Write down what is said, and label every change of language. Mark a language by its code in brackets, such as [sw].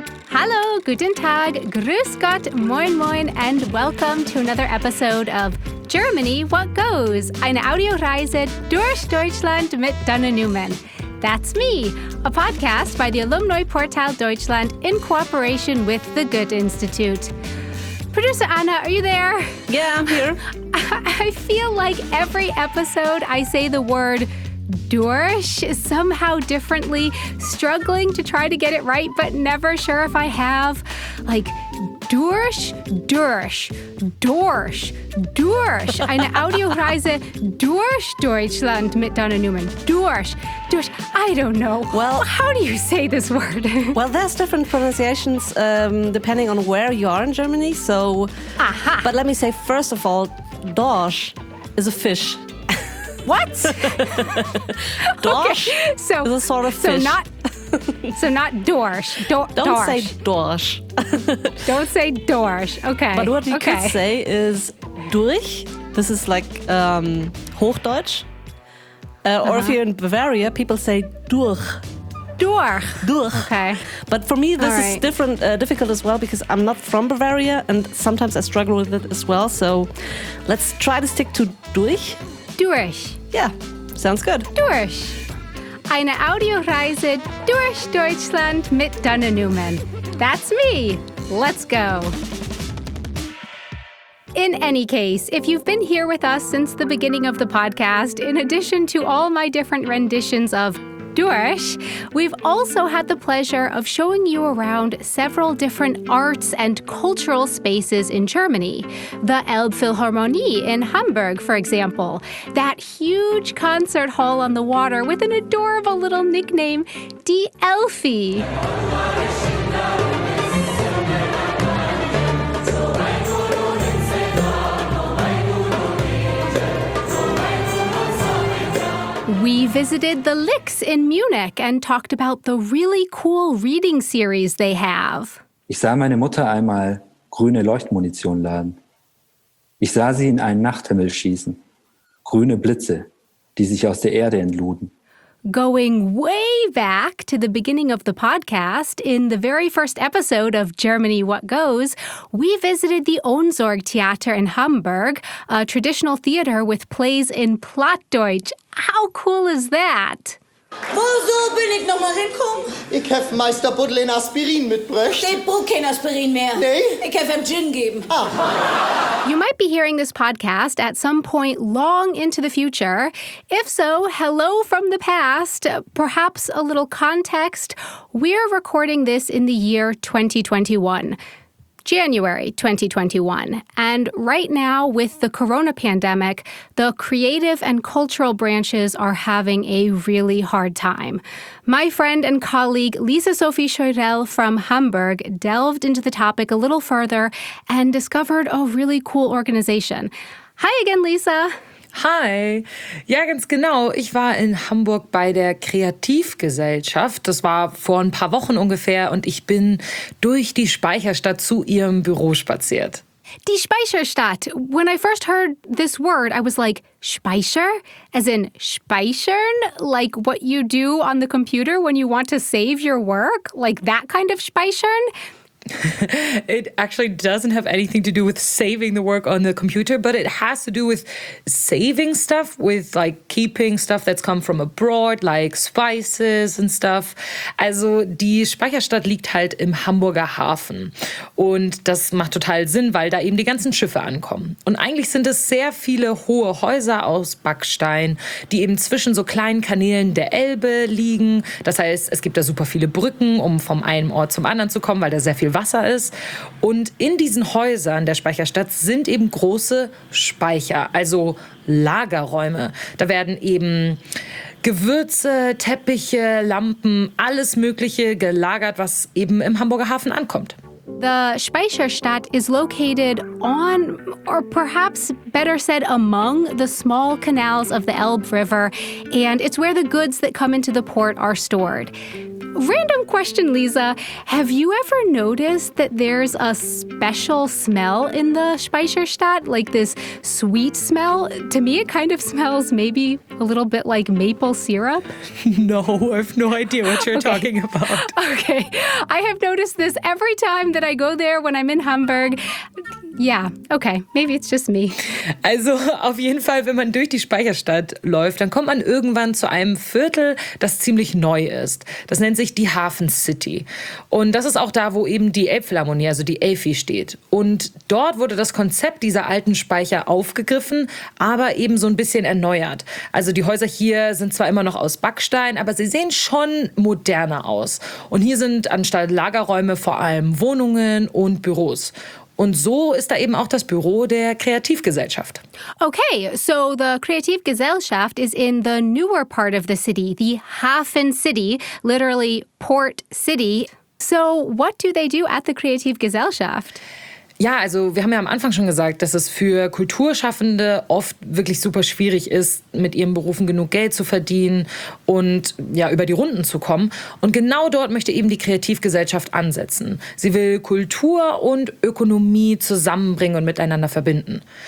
[de] Hallo, guten Tag, grüß Gott, moin moin, [en] and welcome to another episode of [de] Germany What Goes, eine Audioreise durch Deutschland mit Dana Newman. [en] That's me, a podcast by the Alumni Portal Deutschland in cooperation with the Goethe Institute. Producer Anna, are you there? Yeah, I'm here. I feel like every episode I say the word Dorsch somehow differently, struggling to try to get it right, but never sure if I have. [de] Like, Dorsch, Dorsch, Dorsch, Dorsch, eine Audioreise durch Deutschland mit Dana Newman. [en] Dorsch, Dorsch, I don't know. Well, how do you say this word? Well, there's different pronunciations depending on where you are in Germany, so. Aha. But let me say, first of all, Dorsch is a fish. What? Dorsch, okay. So is a sort of fish. So not Dorsch. Don't say Dorsch. Don't say Dorsch. Okay. But what you could say is Durch. This is like Hochdeutsch. Or if you're in Bavaria, people say Durch. Durch. Durch. Okay. But for me, this is difficult as well because I'm not from Bavaria and sometimes I struggle with it as well. So let's try to stick to Durch. Durch. Yeah, sounds good. Durch. [de] Eine Audioreise durch Deutschland mit Dana Newman. [en] That's me. Let's go. In any case, if you've been here with us since the beginning of the podcast, in addition to all my different renditions of Durch, we've also had the pleasure of showing you around several different arts and cultural spaces in Germany. The Elbphilharmonie in Hamburg, for example. That huge concert hall on the water with an adorable little nickname, Die Elfi. We visited the Lix in Munich and talked about the really cool reading series they have. [de] Ich sah meine Mutter einmal grüne Leuchtmunition laden. Ich sah sie in einen Nachthimmel schießen. Grüne Blitze, die sich aus der Erde entluden. [en] Going way back to the beginning of the podcast, in the very first episode of Germany What Goes, we visited the Ohnsorg Theater in Hamburg, a traditional theater with plays in Plattdeutsch. How cool is that? [de] Wo so bin ich nochmal hinkommen? Ich habe Meister Buddel in Aspirin mitbrächt. Ich brauche kein Aspirin mehr. Nee? Ich habe ihm Gin geben. Ah. [en] You might be hearing this podcast at some point long into the future. If so, hello from the past. Perhaps a little context. We're recording this in the year 2021. January 2021. And right now, with the corona pandemic, the creative and cultural branches are having a really hard time. My friend and colleague Lisa Sophie Scheurell from Hamburg delved into the topic a little further and discovered a really cool organization. Hi again, Lisa. [de] Hi. Ja, ganz genau. Ich war in Hamburg bei der Kreativgesellschaft. Das war vor ein paar Wochen ungefähr und ich bin durch die Speicherstadt zu ihrem Büro spaziert. Die Speicherstadt. [en] When I first heard this word, I was like, Speicher? As in speichern? Like what you do on the computer when you want to save your work? Like that kind of speichern? It actually doesn't have anything to do with saving the work on the computer, but it has to do with saving stuff, with like keeping stuff that's come from abroad, like spices and stuff. [de] Also die Speicherstadt liegt halt im Hamburger Hafen und das macht total Sinn, weil da eben die ganzen Schiffe ankommen. Und eigentlich sind es sehr viele hohe Häuser aus Backstein, die eben zwischen so kleinen Kanälen der Elbe liegen. Das heißt, es gibt da super viele Brücken, um vom einen Ort zum anderen zu kommen, weil da sehr viel Wasser ist. Und in diesen Häusern der Speicherstadt sind eben große Speicher, also Lagerräume. Da werden eben Gewürze, Teppiche, Lampen, alles Mögliche gelagert, was eben im Hamburger Hafen ankommt. [en] The Speicherstadt is located on, or perhaps better said, among the small canals of the Elbe River, and it's where the goods that come into the port are stored. Random question, Lisa. Have you ever noticed that there's a special smell in the Speicherstadt, like this sweet smell? To me, it kind of smells maybe a little bit like maple syrup. No, I have no idea what you're talking about. Okay. I have noticed this every time that I go there when I'm in Hamburg. Yeah, okay, maybe it's just me. [de] Also auf jeden Fall, wenn man durch die Speicherstadt läuft, dann kommt man irgendwann zu einem Viertel, das ziemlich neu ist. Das nennt sich die Hafen City. Und das ist auch da, wo eben die Elbphilharmonie, also die Elfi, steht. Und dort wurde das Konzept dieser alten Speicher aufgegriffen, aber eben so ein bisschen erneuert. Also die Häuser hier sind zwar immer noch aus Backstein, aber sie sehen schon moderner aus. Und hier sind anstatt Lagerräume vor allem Wohnungen und Büros. Und so ist da eben auch das Büro der Kreativgesellschaft. [en] Okay, so the Kreativgesellschaft is in the newer part of the city, the Hafen City, literally Port City. So what do they do at the Kreativgesellschaft? [de] Ja, also wir haben ja am Anfang schon gesagt, dass es für Kulturschaffende oft wirklich super schwierig ist, mit ihren Berufen genug Geld zu verdienen und ja, über die Runden zu kommen. Und genau dort möchte eben die Kreativgesellschaft ansetzen. Sie will Kultur und Ökonomie zusammenbringen und miteinander verbinden.